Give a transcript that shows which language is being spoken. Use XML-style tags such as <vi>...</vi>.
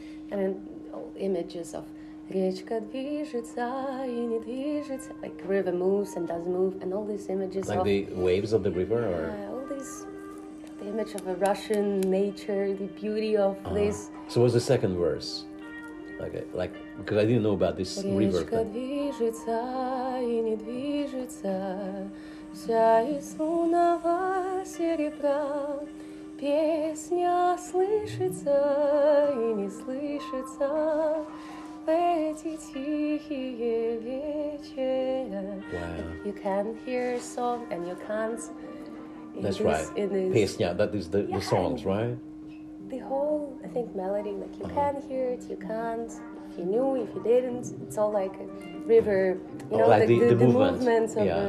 <en>And then images of</en> <ru>речка движется и не движется,</ru> <en>like river moves and does move, and all these images like of the waves of the river, or all these, the image of a Russian nature, the beauty of this. So what's the second verse? Like, because I didn't know about this river.</en> <ru>Речка движется и не движется, вся из лунного серебра. Песня слышится и не слышится в эти тихие вечера.</ru> <en>Wow. You can't hear a song and you can't... That's right. Песня, that is the songs, right? The whole, I think, melody, like, you can hear it, you can't, if you knew, if you didn't, it's all like a river, you know, like the movement. Movements of</en>